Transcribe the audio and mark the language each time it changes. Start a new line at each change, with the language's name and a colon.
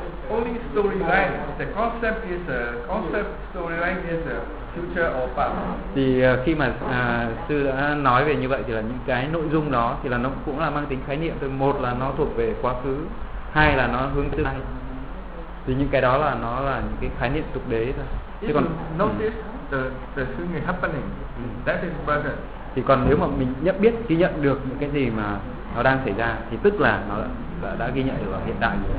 English: Only storyline, the concept is a concept, storyline is a future or past.
Vietnamese: Thì khi mà sư đã nói về như vậy thì là những cái nội dung đó thì là nó cũng là mang tính khái niệm thôi. Một là nó thuộc về quá khứ, hai là nó hướng tương lai. Thì những cái đó là nó là những cái khái niệm tục đế thôi.
English: If you notice the thing happening, that is present.
Vietnamese: Thì còn nếu mà mình nhận biết, ghi nhận được những cái gì mà nó đang xảy ra thì tức là nó đã ghi nhận được ở hiện tại.